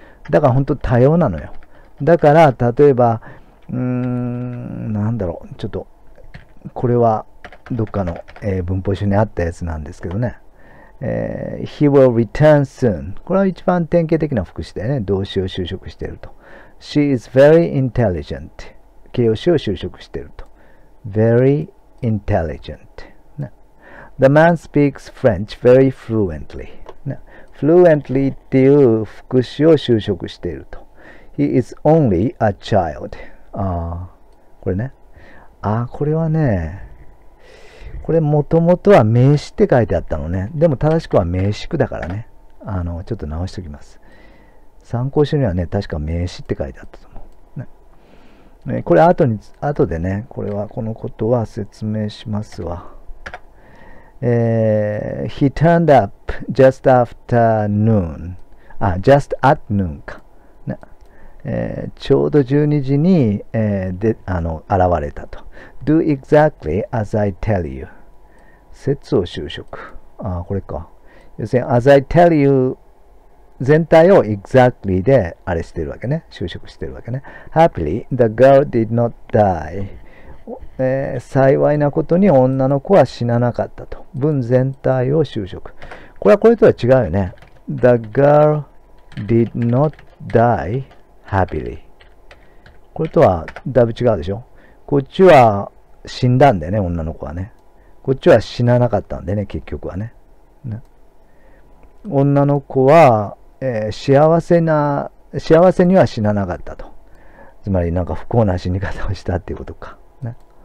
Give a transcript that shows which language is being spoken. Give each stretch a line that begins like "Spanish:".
Japanese: だから本当多様なのよ。だから、例えば、ちょっと、これはどっかの、文法書にあったやつなんですけどね。
English: He will return soon。
Japanese: これは一番典型的な副詞だよね。動詞を修飾していると。
English: She is very intelligent。
Japanese: 形容詞を修飾していると。
English: Very intelligent。 ね。 The man speaks French very fluently。
Japanese: ね。 Fluently っていう副詞を修飾していると。
English: He is only a child。
Japanese: ああ、これね。ああ、これはね。これもともとは名詞って書いてあったのね。でも正しくは名詞句だからね。ちょっと直しておきます。参考書にはね、確か名詞って書いてあったと思う。ね。これ後でね、これは、このことは説明しますわ。
English: He turned up just after noon.
Japanese: あ、
English: just at noon
Japanese: か。ね。ちょうど12時に、現れたと。
English: Do exactly as I tell you.
Japanese: 節を修飾。あ、これか。要するに、
English: as I tell you
Japanese: 全体を exactly であれしてるわけね。修飾してるわけね。
English: Happily, the girl did not die.
Japanese: 幸いなことに女の子は死ななかったと。文全体を修飾。これはこれとは違うよね。
English: The girl did not die happily.
Japanese: これとはだいぶ違うでしょ。こっちは死んだんだよね、女の子はね。こっちは死ななかったんだよね、結局はね。ね。女の子は、幸せには死ななかったと。つまり、なんか不幸な死に方をしたっていうことか。ね。